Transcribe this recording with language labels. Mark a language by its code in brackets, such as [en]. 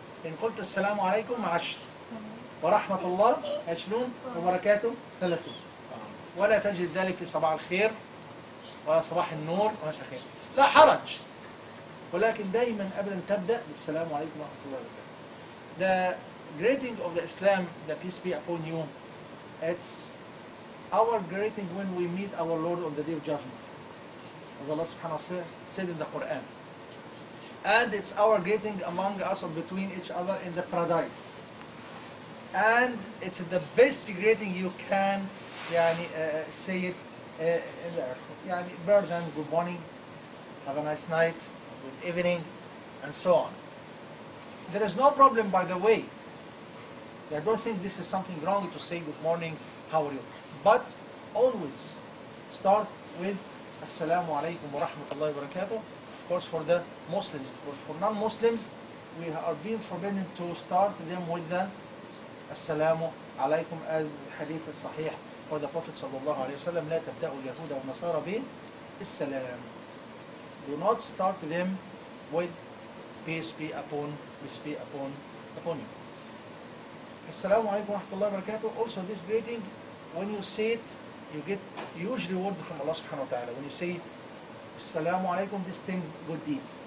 [ar] إن قلت السلام عليكم 10 ورحمة الله 20 وبركاته 30، ولا تجد ذلك في صباح الخير ولا صباح النور ولا سخير، لا حرج، ولكن دائما أبدا تبدأ بالسلام عليكم ورحمة الله وبركاته. [en] The greeting of the Islam, the peace be upon you, it's our greeting when we meet our Lord on the Day of Judgment. As Allah subhanahu wa ta'ala said in the Quran. And it's our greeting among us or between each other in the paradise. And it's the best greeting you can say it in the earth. Better than good morning, have a nice night, good evening, and so on. There is no problem, by the way. I don't think this is something wrong to say good morning, how are you? But always start with Assalamu alaikum wa rahmatullahi wa barakatuh. Of course, for the Muslims. For non-Muslims, we are being forbidden to start them with the Assalamu alaikum, as hadith is sahih for the Prophet sallallahu alayhi wa sallam. [ar] لا تبدأوا اليهود والنصارى بالسلام. [en] Do not start them with peace be upon you. Assalamu alaikum wa rahmatullahi wa barakatuh. Also, this greeting, when you say it, you get usually word from Allah subhanahu wa ta'ala. When you say Assalamu alaikum, this 10 good deeds.